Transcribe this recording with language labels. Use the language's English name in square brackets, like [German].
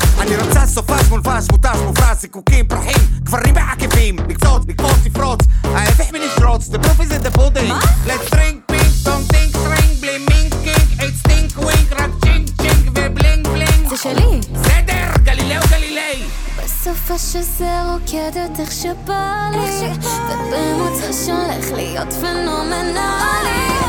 [Hebrew] אני רוצה סופש, מולפש, מוטש, מופרס, זיקוקים, פרחים, גברים בעקבים, לקצות, לקרוץ, לפרוץ, ההפך מנשרוץ, the proof is in the pudding. מה? [English] Let's drink pink, don't think string, בלי מינק קינק, it's stink wink, רק צ'ינק צ'ינק ובלינק בלינק. [Hebrew] זה שלי. סדר, גלילאו גלילאי. בסופה שזה רוקדת איך שבא לי, איך שבא לי, ובמוצא שולך להיות פנומנלי.